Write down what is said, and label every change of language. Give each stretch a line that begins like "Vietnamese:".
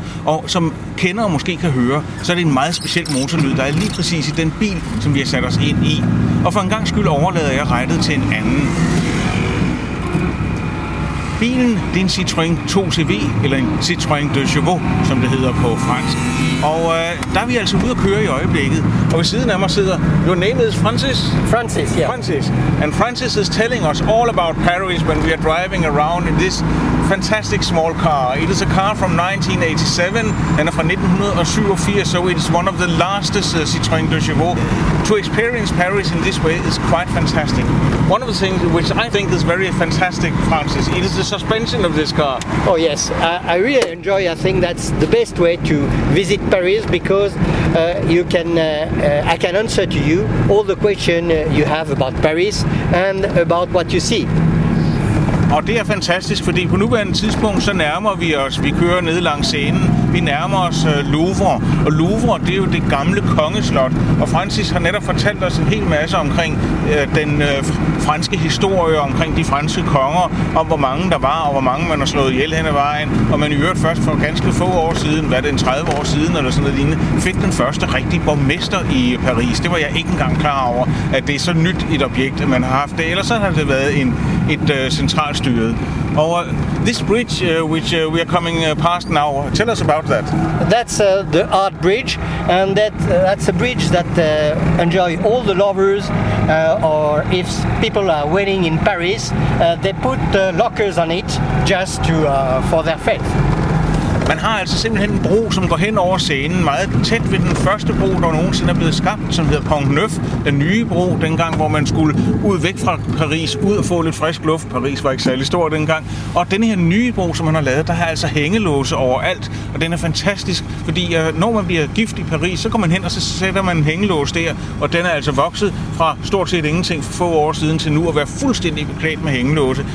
Danish: Og som kender og måske kan høre, så er det en meget speciel motorlyd, der er lige præcis i den bil, som vi har sat os ind i. Og for en gang skyld overlader jeg rettet til en anden. Bilen, det er en Citroën 2CV, eller en Citroën de Chevaux, som det hedder på fransk. Og der er vi altså ude at køre i øjeblikket. Og ved siden af mig sidder,
English: your name is Francis? Francis, yeah. Francis. And Francis is telling us all about Paris when we are driving around in this fantastic small car. It is a car from 1987, and
Danish: fra 1987,
English: so it is one of the lastest Citroën de Chevaux. To experience Paris in this way is quite fantastic. One of the things which I think is very fantastic, Francis, it is the suspension of this car. Oh yes, I really enjoy, I think that's the best way to visit Paris, because you can I can answer to you all the questions you have about Paris and about what you see.
Danish: Og det er fantastisk, fordi på nuværende tidspunkt, så nærmer vi os, vi kører ned langs scenen, vi nærmer os Louvre, og Louvre, det er jo det gamle kongeslot, og Francis har netop fortalt os en hel masse omkring den franske historie, omkring de franske konger, om hvor mange der var, og hvor mange man har slået ihjel hen ad vejen, og man i øvrigt først for ganske få år siden, hvad det er, 30 år siden, eller sådan noget lignende, fik den første rigtige borgmester i Paris. Det var jeg ikke engang klar over, at det er så nyt et objekt, man har haft det, ellers så har det været et centralt styret. Og
English: this bridge which we are coming past now, tell us about that. That's the Art Bridge, and that's a bridge that enjoy all the lovers, or if people are waiting in Paris, they put lockers on it just to for their faith.
Danish: Man har altså simpelthen en bro, som går hen over scenen, meget tæt ved den første bro, der nogensinde er blevet skabt, som hedder Pont Neuf, den nye bro, dengang, hvor man skulle ud væk fra Paris, ud og få lidt frisk luft. Paris var ikke særlig stor dengang. Og den her nye bro, som man har lavet, der har altså hængelåse overalt, og den er fantastisk, fordi når man bliver gift i Paris, så går man hen, og så sætter man en hængelås der, og den er altså vokset fra stort set ingenting for få år siden til nu at være fuldstændig beklædt med hængelåse.